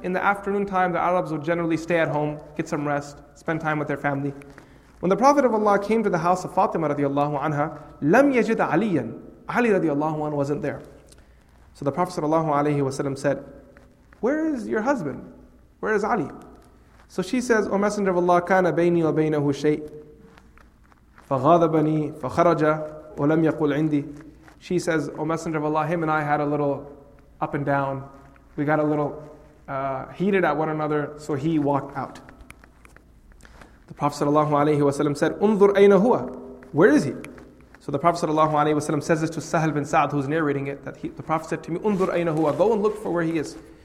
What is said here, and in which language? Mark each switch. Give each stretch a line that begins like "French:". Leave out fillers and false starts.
English: In the afternoon time, the Arabs would generally stay at home, get some rest, spend time with their family. When the Prophet of Allah came to the house of Fatima radiallahu anha,
Arabic: لم يجد عليا.
English: Ali radiallahu anha wasn't there. So the Prophet sallallahu alayhi wa sallam said, where is your husband? Where is Ali? So she says, O Messenger of Allah,
Arabic: كان بيني وبينه شيء فغاضبني فخرج ولم يقول عندي.
English: She says, O Messenger of Allah, him and I had a little up and down. We got a little heated at one another, so he walked out. The Prophet sallallahu alayhi wa sallam said,
Arabic: انظر أين هو.
English: Where is he? So the Prophet sallallahu alayhi wa sallam says this to Sahal bin Sa'd, who's narrating it, that the Prophet said to me,
Arabic: انظر أين هو.
English: Go and look for where he is.